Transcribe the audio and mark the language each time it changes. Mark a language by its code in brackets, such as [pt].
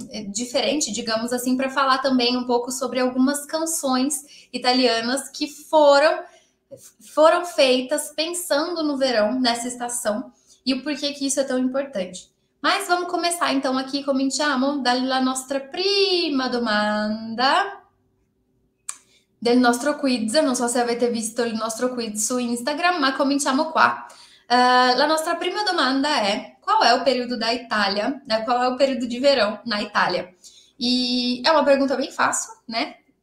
[pt] Diferente, digamos assim, para falar também um pouco sobre algumas canções italianas que foram feitas pensando no verão, nessa estação, e o porquê que isso é tão importante. Mas vamos começar então aqui, [it] cominciamo dalla nostra prima domanda del nostro quiz. Non so se avete visto il nostro quiz su Instagram, ma cominciamo qua. La nostra prima domanda è: qual è [pt] o período da Itália? Qual è o período de verão na Itália? E é uma pergunta bem fácil, né?